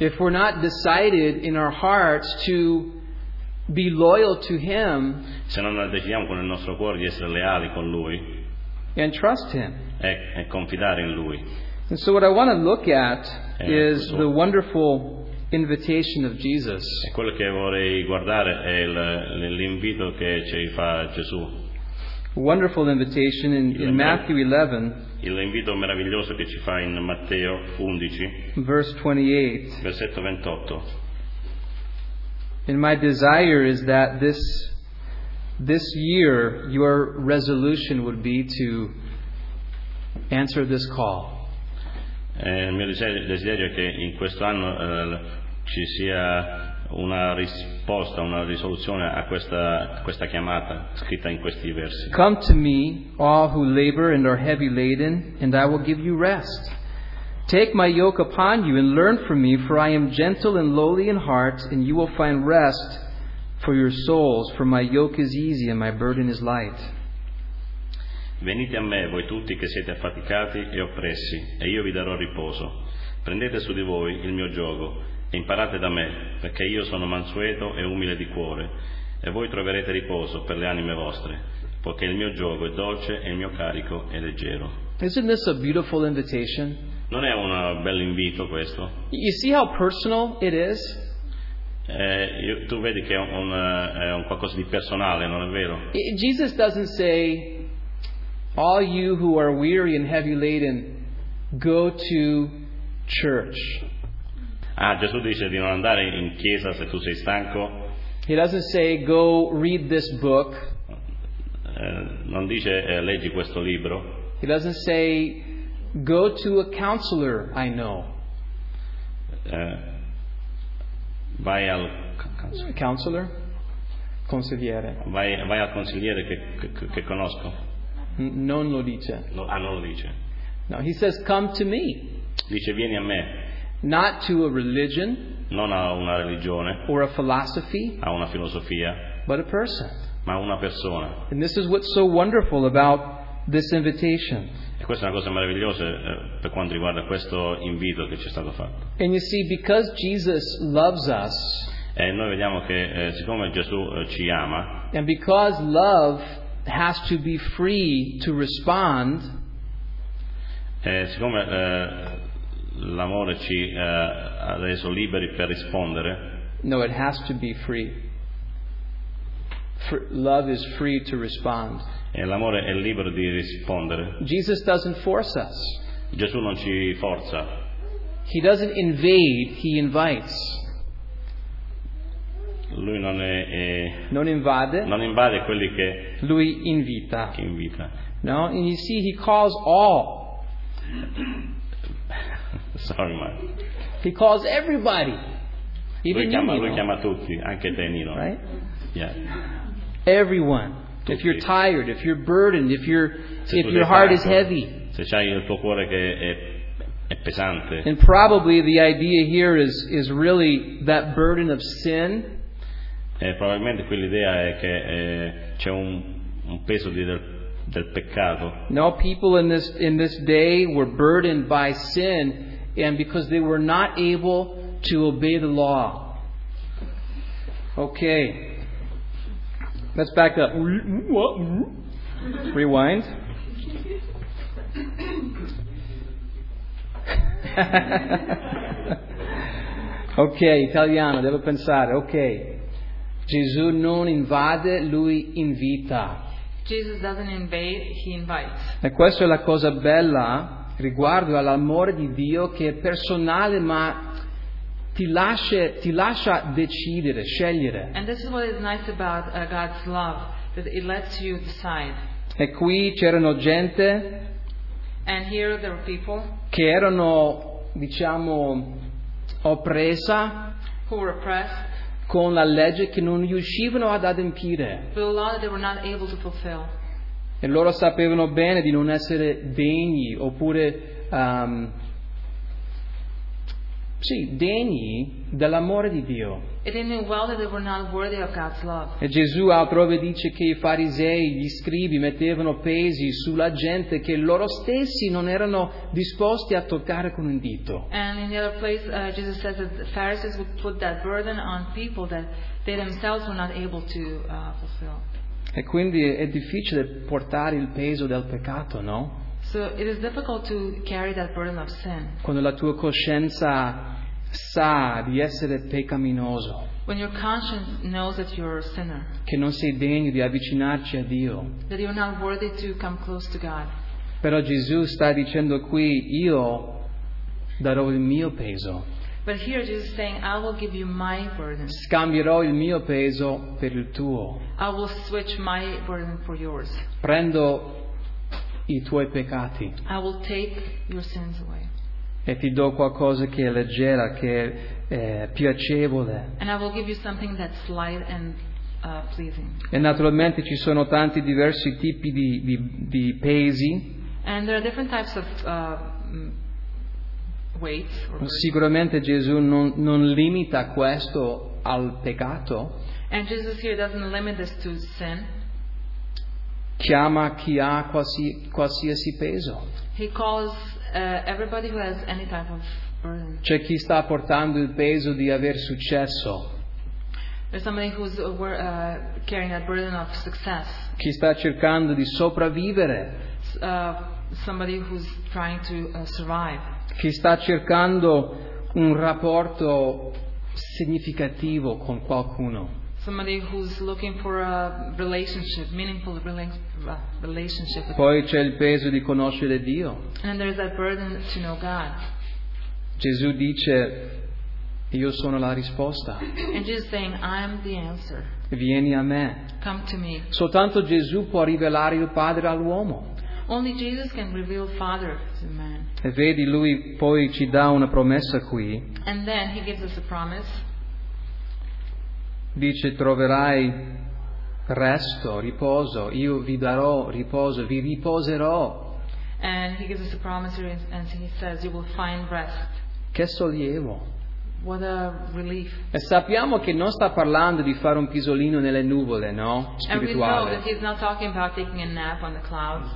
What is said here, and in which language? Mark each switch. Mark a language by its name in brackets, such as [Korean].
[English] If we're not decided in our hearts to be loyal to Him, [Italian] se non decidiamo con il nostro cuore di essere leali con Lui, [English] and trust Him, [Italian] e confidare in Lui. [English] And so what I want to look at is the wonderful invitation of Jesus. [Italian] E quello che vorrei guardare è l'invito che ci fa Gesù. [English] Wonderful invitation in Matthew 11. [Italian] L'invito meraviglioso che ci fa in Matteo 11. [English] Verse 28. [Italian] Versetto 28. [English] And my desire is that this year your resolution would be to answer this call. [Italian] Il mio desiderio è che in questo anno ci sia una risposta, una risoluzione a questa chiamata scritta in questi versi. [English] Come to me, all who labor and are heavy laden, and I will give you rest. Take my yoke upon you and learn from me, for I am gentle and lowly in heart, and you will find rest for your souls, for my yoke is easy and my burden is light. [Italian] Venite a me, voi tutti che siete affaticati e oppressi, e io vi darò riposo. Prendete su di voi il mio giogo e imparate da me, perché io sono mansueto e umile di cuore, e voi troverete riposo per le anime vostre, poiché il mio giogo è dolce e il mio carico è leggero. [English] Isn't this a beautiful invitation? [Italian] Non è un bel invito questo? [English] You see how personal it is? [Italian] Tu vedi che è un qualcosa di personale, non è vero? [English] Jesus doesn't say, all you who are weary and heavy laden, go to church. [Italian] Ah, Gesù dice di non andare in chiesa se tu sei stanco. [English] He doesn't say, go read this book. [Italian] Non dice, leggi questo libro. [English] He doesn't say, go to a counselor I know. [Italian] Vai al counselor? Consigliere. Vai al consigliere che conosco. Non lo dice. Non lo dice. [English] No, he says, come to me. [Italian] Dice, vieni a me. [English] Not to a religion, [Italian] non a una religione, [English] or a philosophy, [Italian] a una filosofia, [English] but a person, [Italian] ma una persona. [English] And this is what's so wonderful about this invitation. [Italian] E questa è una cosa meravigliosa per quanto riguarda questo invito che ci è stato fatto. [English] And you see, because Jesus loves us, [Italian] e noi vediamo che siccome Gesù ci ama, [English] and because love has to be free to respond, [Italian] siccome l'amore ci ha reso liberi per rispondere. [English] No, it has to be free. Love is free to respond. [Italian] E l'amore è libero di rispondere. [English] Jesus doesn't force us. [Italian] Gesù non ci forza. [English] He doesn't invade, he invites. [Italian] Lui non è non invade. Non invade quelli che lui invita. Che invita. [English] No, and you see, he calls all. Sorry, man. He calls everybody. Even [Italian] lui chiama [English] you, [Italian] lui chiama tutti, anche te, Nino. [English] Right? Yeah. Everyone. [Italian] Tutti. [English] If you're tired, if you're burdened, if your heart is heavy. [Italian] Se c'hai il tuo cuore che è pesante. [English] And probably the idea here is really that burden of sin. [Italian] Probabilmente quell'idea è che c'è un peso del del peccato. [English] No, people in this day were burdened by sin, and because they were not able to obey the law. Okay, let's back up. Rewind. [Italian] Okay, italiano, devo pensare. Okay. Gesù non invade, lui invita. [English] Jesus doesn't invade, he invites. [Italian] E questa è la cosa bella riguardo all'amore di Dio, che è personale, ma ti lascia decidere, scegliere. [English] And this is what is nice about God's love, that it lets you decide. [Italian] E qui c'erano gente. [English] And here there were people. [Italian] Che erano, diciamo, oppressa. [English] Who were oppressed. [Italian] Con la legge che non riuscivano ad adempiere. [English] With the law that they were not able to fulfill. [Italian] E loro sapevano bene di non essere degni, oppure sì, degni dell'amore di Dio. [English] And they knew well that they were not worthy of God's love. [Italian] E Gesù altrove dice che i farisei, gli scribi, mettevano pesi sulla gente che loro stessi non erano disposti a toccare con un dito. [English] And in the other place, Jesus says that the Pharisees would put that burden on people that they themselves were not able to fulfill. [Italian] E quindi è difficile portare il peso del peccato, no? [English] So it is difficult to carry that burden of sin. [Italian] Quando la tua coscienza sa di essere peccaminoso. [English] When your conscience knows that you're a sinner. [Italian] Che non sei degno di avvicinarci a Dio. [English] That you're not worthy to come close to God. [Italian] Però Gesù sta dicendo qui, io darò il mio peso. [English] But here Jesus is saying, I will give you my burden. [Italian] Scambierò il mio peso per il tuo. [English] I will switch my burden for yours. [Italian] Prendo i tuoi peccati. [English] I will take your sins away. [Italian] E ti do qualcosa che è leggera, che è piacevole. [English] And I will give you something that's light and pleasing. [Italian] E naturalmente ci sono tanti diversi tipi di pesi. [English] And there are different types of weights. [Italian] Sicuramente Gesù non limita questo al peccato. [English] And Jesus here doesn't limit this to sin. [Italian] Chiama chi ha qualsiasi peso. [English] He calls everybody who has any type of burden. [Italian] C'è chi sta portando il peso di aver successo. [English] There's somebody who's carrying that burden of success. [Italian] Chi sta cercando di sopravvivere. [English] Somebody who's trying to survive. [Italian] Chi sta cercando un rapporto significativo con qualcuno. [English] Somebody who's looking for a relationship, meaningful relationship. [Italian] Poi c'è il peso di conoscere Dio. [English] And there's that burden to know God. [Italian] Gesù dice, io sono la risposta. [English] And Jesus saying, I'm the answer. [Italian] Vieni a me. [English] Come to me. [Italian] Soltanto Gesù può rivelare il Padre all'uomo. [English] Only Jesus can reveal Father to man. [Italian] E vedi, lui poi ci dà una promessa qui. [English] And then he gives us a promise. [Italian] Dice, troverai resto, riposo, io vi darò riposo, vi riposerò. [English] And he gives us a promise and he says you will find rest. [Italian] Che sollievo. [English] What a relief. [Italian] E sappiamo che non sta parlando di fare un pisolino nelle nuvole, no? Spirituale. [English] And we know that he's not talking about taking a nap on the clouds.